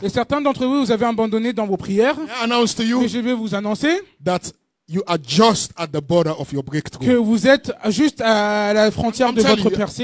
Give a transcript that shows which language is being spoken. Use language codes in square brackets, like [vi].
[fr] Et certains d'entre vous vous avez abandonné dans vos prières. [en] I announce to you, [fr] et je vais vous annoncer, [en] that you are just at the border of your breakthrough. [fr] Que vous êtes juste à la frontière de votre percée.